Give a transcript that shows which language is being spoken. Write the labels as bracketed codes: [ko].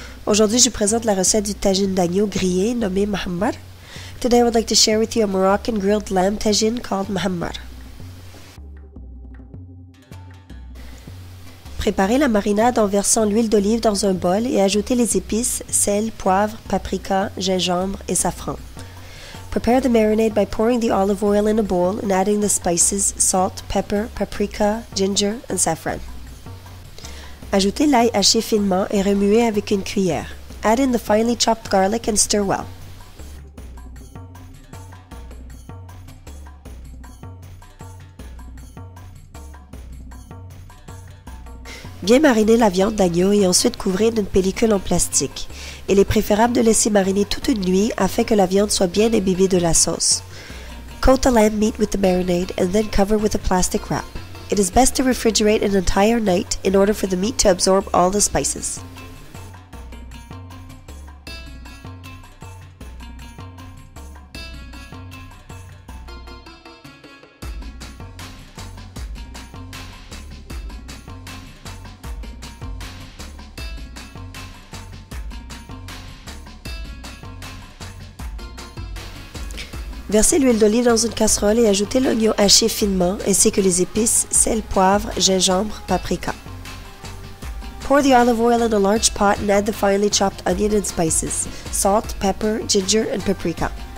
[fr] Aujourd'hui, je vous présente la recette du tagine d'agneau grillé nommé Mahammar. [en] Today, I would like to share with you a Moroccan grilled lamb tagine called Mahammar. [fr] Préparez la marinade en versant l'huile d'olive dans un bol et ajoutez les épices, sel, poivre, paprika, gingembre et safran. [en] Prepare the marinade by pouring the olive oil in a bowl and adding the spices, salt, pepper, paprika, ginger and saffron. [fr] Ajoutez l'ail haché finement et remuez avec une cuillère. [en] Add in the finely chopped garlic and stir well. [fr] Bien mariner la viande d'agneau et ensuite couvrir d'une pellicule en plastique. Il est préférable de laisser mariner toute une nuit afin que la viande soit bien imbibée de la sauce. [en] Coat the lamb meat with the marinade and then cover with a plastic wrap. It is best to refrigerate an entire night in order for the meat to absorb all the spices. [fr] Versez l'huile d'olive dans une casserole et ajoutez l'oignon haché finement ainsi que les épices, sel, poivre, gingembre, paprika. [en] Pour the olive oil in a large pot and add the finely chopped onion and spices, salt, pepper, ginger and paprika.